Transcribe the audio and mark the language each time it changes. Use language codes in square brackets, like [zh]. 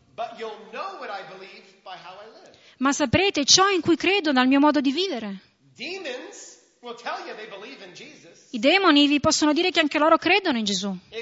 [en] but you'll know what I believe by how I live. [it] Ma saprete ciò in cui credo dal mio modo di vivere. [en] Demons will tell you they believe in Jesus. [it] I demoni vi possono dire che anche loro credono in Gesù.